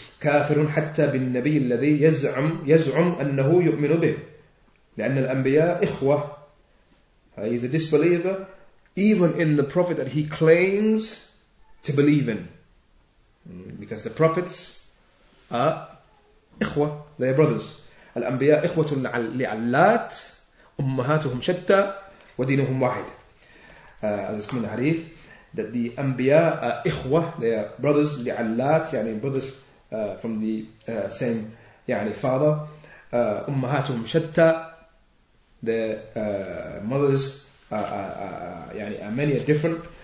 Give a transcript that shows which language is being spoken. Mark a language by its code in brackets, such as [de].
[ar] كافر حتى بالنبي الذي يزعم أنه يؤمن به, لأن الأنبياء إخوة. [en] He is a disbeliever even in the prophet that he claims to believe in, because the prophets are إخوة, they are brothers. [ar] الأنبياء إخوة لعلات أمهاتهم شتى ودينهم واحد. [en] As it's come in the hadith, that the Anbiya are إخوة, they are brothers, لعلات, يعني brothers from the same يعني father. [ar] أمهاتهم شتى, [en] their mothers يعني are many, are different.